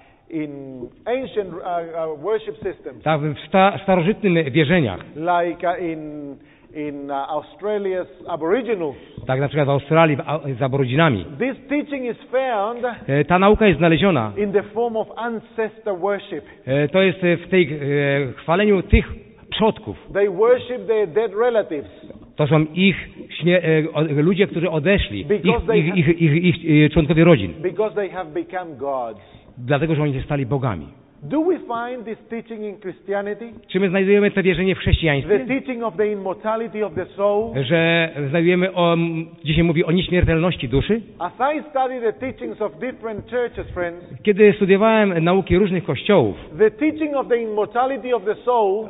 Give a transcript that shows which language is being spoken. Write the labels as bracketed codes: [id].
[en] In ancient worship systems. [pl] Tak, w starożytnych wierzeniach. [en] Like in Australia's aboriginals. [pl] Tak, na przykład w Australii z aboryginami. [en] This teaching is found. [pl] Ta nauka jest znaleziona. [en] In the form of ancestor worship. [pl] To jest w tej chwaleniu tych przodków. [en] They worship their dead relatives. [pl] To są ich ludzie, którzy odeszli. Ich członkowie rodzin. [en] Because they have become gods. [pl] Dlatego, że oni się stali bogami. [en] Do we find this teaching in Christianity? [pl] Czy my znajdujemy to wierzenie w chrześcijaństwie? [en] The teaching of the immortality of the soul? [pl] Że znajdujemy, dzisiaj mówi o nieśmiertelności duszy? [en] As I study the teachings of different churches, friends, [pl] kiedy studiowałem nauki różnych kościołów, [en] the teaching of the immortality of the soul,